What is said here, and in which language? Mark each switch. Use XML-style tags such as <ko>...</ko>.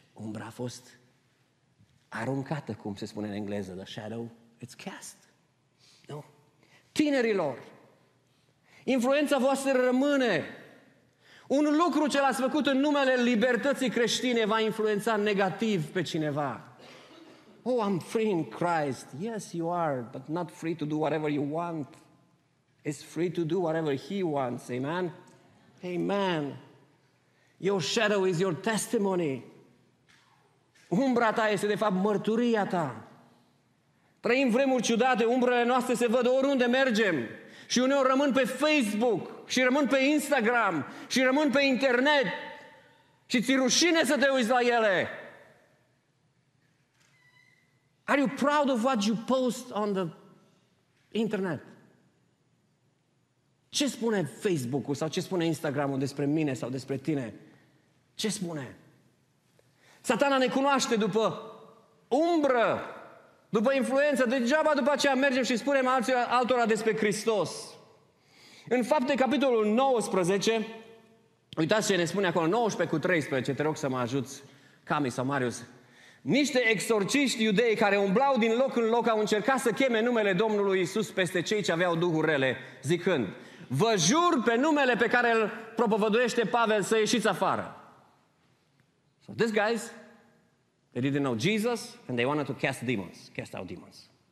<ro>Umbra a fost aruncată, cum se spune în engleză,</ro> <en>the shadow, it's cast.</en> <ro>Nu? Tinerilor, influența voastră rămâne. Un lucru ce l-ați făcut în numele libertății creștine va influența negativ pe cineva.</ro> <en>Oh, I'm free in Christ. Yes, you are, but not free to do whatever you want. It's free to do whatever he wants. Amen? Amen. Your shadow is your testimony.</en> <ro>Umbra ta este, de fapt, mărturia ta. Trăim vremuri ciudate, umbrele noastre se văd oriunde mergem. Și uneori rămân pe Facebook, și rămân pe Instagram, și rămân pe internet. Și ți-e rușine să te uiți la ele.</ro> <en>Are you proud of what you post on the internet?</en> <ro>Ce spune Facebook-ul sau ce spune Instagram-ul despre mine sau despre tine? Ce spune? Satana ne cunoaște după umbră, după influență, degeaba după aceea mergem și spunem altora despre Hristos. În Fapte, capitolul 19, uitați ce ne spune acolo, 19:13, te rog să mă ajuți, Cami sau Marius. Niște exorciști iudei care umblau din loc în loc au încercat să cheme numele Domnului Iisus peste cei ce aveau duhuri rele, zicând: vă jur pe numele pe care îl propovăduiește Pavel să ieșiți afară.</ro> <en>So these guys, they didn't know Jesus and they wanted to cast demons, cast out demons.</en>